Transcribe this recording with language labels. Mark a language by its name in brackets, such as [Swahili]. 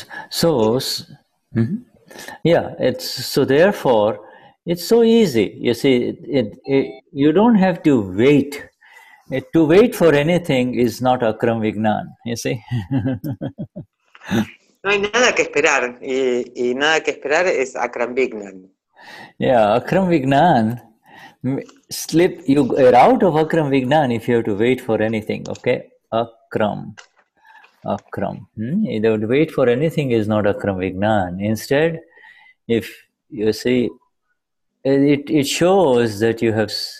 [English] So, yeah, it's so therefore, it's so easy. You see, you don't have to wait. To wait for anything is not akram vignan, you see. [Spanish] No hay nada que esperar, y nada que esperar es akram vignan. [English] Yeah, akram vignan, slip, you are out of akram vignan if you have to wait for anything, okay? Akram. You don't wait for anything is not akram vignan. Instead, if you see, it shows that you have...